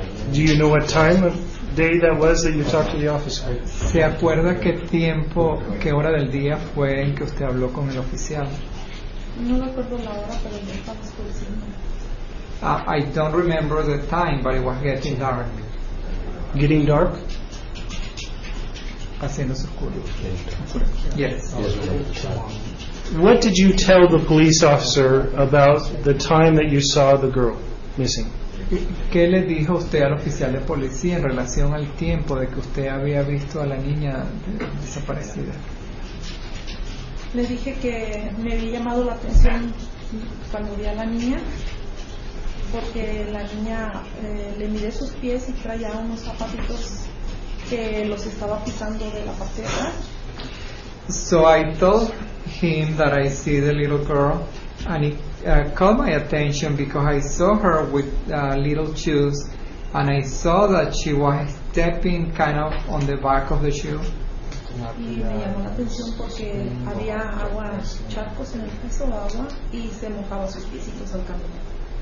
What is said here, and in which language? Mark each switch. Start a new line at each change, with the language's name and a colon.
English: Do you know what time of day that was that you talked to the officer?
Spanish: ¿Se acuerda qué tiempo, qué hora del día fue en que usted habló con el oficial? No me acuerdo la hora, pero ya estamos por encima.
English: I don't remember the time, but it was getting dark. Getting dark?
Spanish: Haciendo oscuro.
English: Yes. What did you tell the police officer about the time that you saw the girl missing?
Spanish: ¿Qué le dijo usted al oficial de policía en relación al tiempo de que usted había visto a la niña desaparecida? Le dije que me había llamado la atención cuando vi a la niña, porque la niña le miré sus pies y traía unos zapatitos que los estaba pisando de la patera.
English: So I told him that I see the little girl, and it caught my attention because I saw her with little shoes, and I saw that she was stepping kind of on the back of the shoe.
Spanish: Y me llamó la atención porque había agua, charcos en el piso, agua, y se mojaba sus pisitos al caminar.